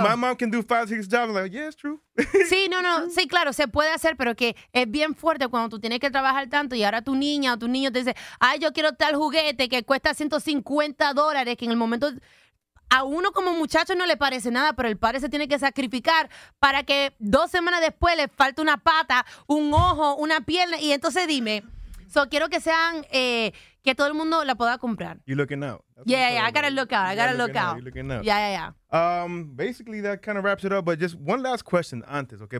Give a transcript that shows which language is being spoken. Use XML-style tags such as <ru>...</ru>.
<en>So my mom can do 5-6 jobs, I'm like, yeah, it's true.</en> <es>Sí, no, sí, claro, se puede hacer, pero que es bien fuerte cuando tú tienes que trabajar tanto y ahora tu niña o tu niño te dice, ay, yo quiero tal juguete que cuesta $150, que en el momento a uno como muchacho no le parece nada, pero el padre se tiene que sacrificar para que 2 semanas después le falte una pata, un ojo, una pierna, y entonces dime, so quiero que sean, que todo el mundo la pueda comprar.</es> <en>You looking out. Yeah, I gotta look out. Basically, that kind of wraps it up, but just one last question antes, okay?</en>